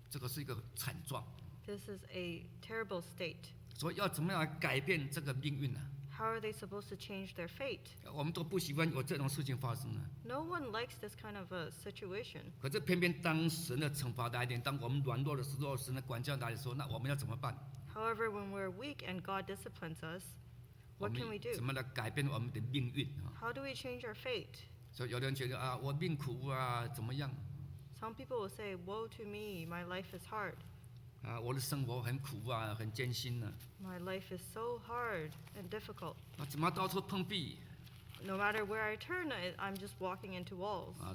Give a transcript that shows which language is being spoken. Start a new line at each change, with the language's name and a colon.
Chinese: 好，这个冠冕从我们头上落下，我们犯罪了，我们有祸了。17节。17。那这件事让我们心里发昏，我们的眼睛昏花。好，这个是一个惨状。
English: This is a terrible state.
Chinese: 所以要怎么样改变这个命运呢？
English: How are they supposed to change their fate?
Chinese: 我们都不喜欢有这种事情发生呢。
English: No one likes this kind of a situation.
Chinese: 可是偏偏当神的惩罚来临，当我们软弱的时候，神的管教来的时候，那我们要怎么办？
English: However, when we're weak and God disciplines us, what can we do?
Chinese: 怎么来改变我们的命运？
English: How do we change our fate?
Chinese: 所以有的人觉得啊，我命苦啊，怎么样？
English: Some people will say, woe to me, my life is hard.
Chinese: 我的生活很苦啊，很艰辛啊。
English: My life is so hard and difficult.
Chinese: 怎么到处碰壁？
English: No matter where I turn, I'm just walking into walls.